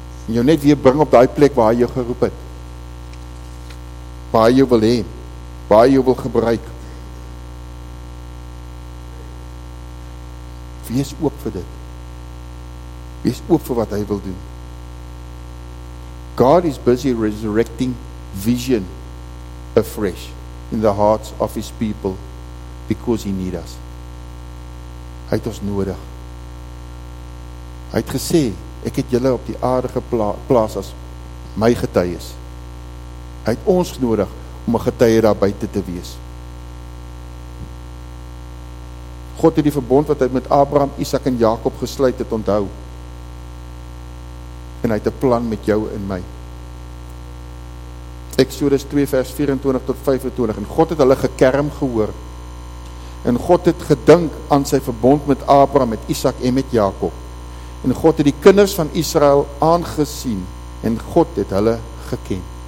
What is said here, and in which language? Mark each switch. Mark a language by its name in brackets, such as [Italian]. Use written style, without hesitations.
[Afrikaans] En jou net weer bring op die plek waar hy jou geroep het. Waar hy jou wil heen. Waar hy jou wil gebruik. Wees oop vir dit. Wees oop vir wat hy wil doen. [English] God is busy resurrecting vision afresh in the hearts of his people because he need us. [Afrikaans] Hy het ons nodig. Hy het gesê, ek het julle op die aarde geplaas as my getuies. Hy het ons nodig om 'n getuie daar buite te wees. God het die verbond wat hy met Abraham, Isaac en Jakob gesluit het onthou. En hy het 'n plan met jou en my. Exodus 2 vers 24 tot 25 en God het hulle gekerm gehoor en God het gedink aan sy verbond met Abraham, met Isaac en met Jakob en God het die kinders van Israel aangesien en God het hulle geken.